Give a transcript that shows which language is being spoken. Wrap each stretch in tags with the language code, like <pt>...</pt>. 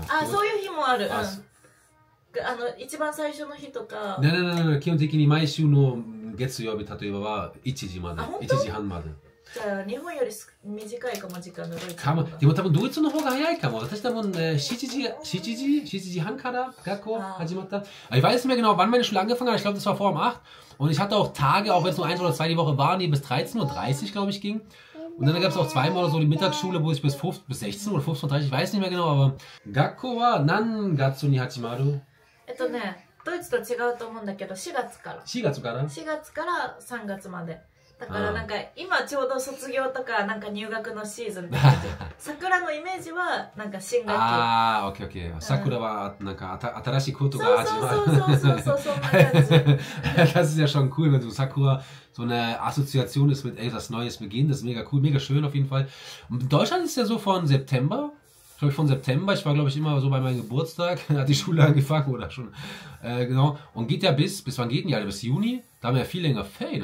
<ja>あ、そういう日もある。一番最初の日とか。なななな、基本的に毎週の月曜日、例えばは1時まで。 1時半まで。じゃあ日本より短いかも時間のドイツかも。でも多分ドイツの方が早いかも。私多分7時半から学校始まった。 Ah.</ja> <de>Ich weiß nicht mehr genau, wann meine Schule angefangen hat. Ich glaube, das war vor 8. Und ich hatte auch Tage, auch wenn es nur 1 oder 2 die Woche waren, die bis 13.30 Uhr, glaube ich, ging. Und dann gab es auch zweimal so die Mittagsschule, wo ich bis 16 oder 15.30 Uhr, ich weiß nicht mehr genau, aber...</de> <ja>学校は何月に始まる? ドイツと違うと思うんだけど、4月から。 4月かな。 4月から3月まで。だからなんか今ちょうど卒業とかなんか入学のシーズンで、桜のイメージはなんか新学期。ああ、オッケーオッケー。桜はなんか新しいことが始まる。そうそうそうそうそう。</ja> <de>das ist ja schon cool, wenn du Sakura so eine Assoziation ist mit etwas Neues beginnen. Das ist mega cool, mega schön auf jeden Fall. Deutschland ist ja so von September. Von September, ich war glaube ich immer so bei meinem Geburtstag, hat die Schule angefangen oder schon. Genau. Und geht ja bis wann geht denn die? Bis Juni? Da haben wir ja viel länger Ferien.</de>